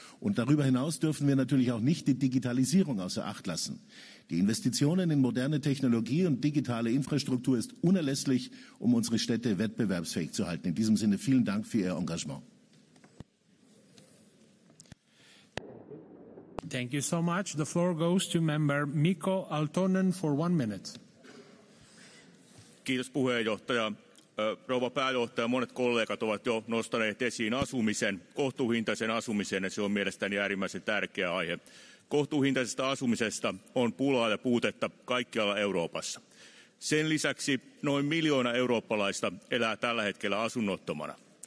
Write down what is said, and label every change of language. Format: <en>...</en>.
<de>Und darüber hinaus dürfen wir natürlich auch nicht die Digitalisierung außer Acht lassen. Die Investitionen in moderne Technologie und digitale Infrastruktur ist unerlässlich, um unsere Städte wettbewerbsfähig zu halten. In diesem Sinne vielen Dank für Ihr Engagement.</de> <en>Thank you so much. The floor goes to Member Mikko Altonen for 1 minute.</en> <fi>Kiitos puheenjohtaja. Rouva pääjohtaja, monet kollegat ovat jo nostaneet esiin asumisen, kohtuuhintaisen asumisen, ja se on mielestäni äärimmäisen tärkeä aihe. Kohtuuhintaisesta asumisesta on pulaa ja puutetta kaikkialla Euroopassa. Sen lisäksi noin 1 miljoona eurooppalaista elää tällä hetkellä asunnottomana.</fi>